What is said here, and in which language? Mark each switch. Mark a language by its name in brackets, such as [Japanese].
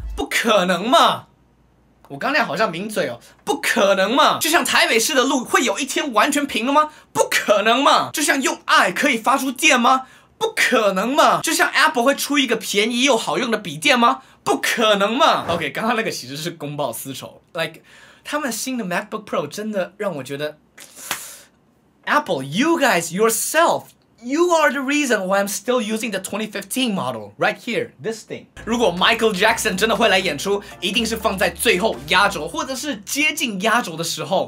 [Chinese] 不可能嘛。我刚才好像抿嘴哦，不可能嘛。就像台北市的路会有一天完全平了吗？不可能嘛。就像用爱可以发出电吗？不可能嘛。就像 Apple 会出一个便宜又好用的笔电吗？不可能嘛。 OK， 刚刚那个其实是公报私仇。 [English] Like [Chinese] 他们新的 MacBook Pro 真的让我觉得 [English] Apple you guys yourselfYou are the reason why I'm still using the 2015 model. Right here, this thing. [Chinese] 如果 Michael Jackson 真的会来演出，一定是放在最后压轴，或者是接近压轴的时候。